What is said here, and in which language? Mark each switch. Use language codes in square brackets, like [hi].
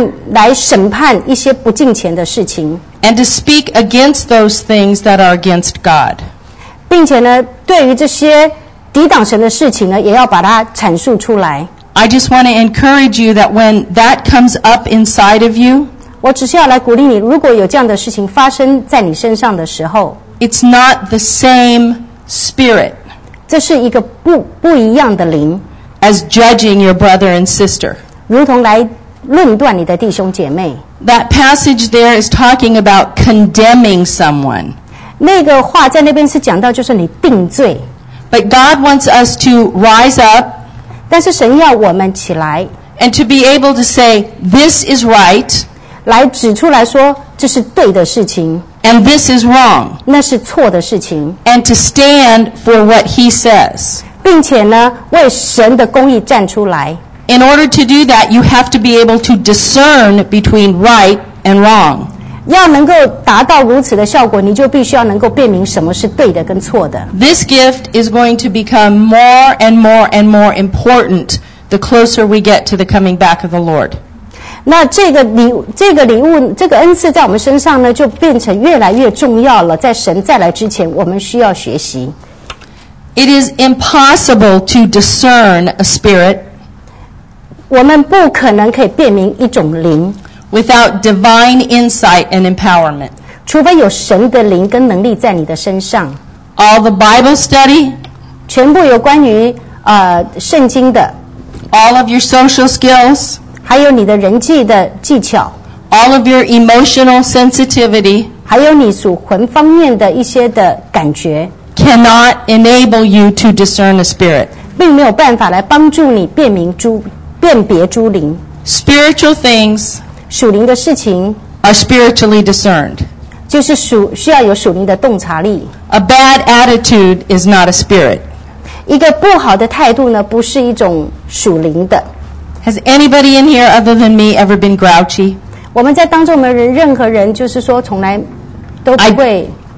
[zh] 来审判一些不敬虔的事情。 [en] And to speak against those things that are against God. [zh] 并且呢，对于这些抵挡神的事情呢，也要把它阐述出来。 [en] I just want to encourage you that when that comes up inside of you. [zh] 我只是要来鼓励你，如果有这样的事情发生在你身上的时候 [en] ，It's not the same spirit. [zh] 这是一个不一样的灵 [en] ，as judging your brother and sister. [zh] 如同来论断你的弟兄姐妹。 [en] That passage there is talking about condemning someone. [zh] 那个话在那边是讲到就是你定罪。 [en] But God wants us to rise up. [zh] 但是神要我们起来 [en] ，and to be able to say this is right. [zh] 来指出来说这是对的事情 [en] And this is wrong [zh] 那是错的事情 [en] And to stand for what he says [zh] 并且呢为神的公义站出来 [en] In order to do that you have to be able to discern between right and wrong [zh] 要能够达到如此的效果你就必须要能够辨明什么是对的跟错的 [en] This gift is going to become more and more and more important the closer we get to the coming back of the Lord [zh] 那这个礼物，这个恩赐在我们身上呢，就变成越来越重要了。在神再来之前，我们需要学习。 [en] It is impossible to discern a spirit. [zh] 我们不可能可以辨明一种灵。 [en] Without divine insight and empowerment. [zh] 除非有神的灵跟能力在你的身上。 [en] All the Bible study. [zh] 全部有关于圣经的。 [en] All of your social skills. [zh] 还有你的人际的技巧 [en] ，all of your emotional sensitivity， [zh] 还有你属魂方面的一些的感觉 [en] ，cannot enable you to discern a spirit， [zh] 并没有办法来帮助你辨别诸灵。 [en] Spiritual things， [zh] 属灵的事情 [en] ，are spiritually discerned， [zh] 就是需要有属灵的洞察力。 [en] A bad attitude is not a spirit， [zh] 一个不好的态度呢，不是一种属灵的。 [en] Has anybody in here other than me ever been grouchy? [zh] 我们在当中的人，任何人就是说从来都不会。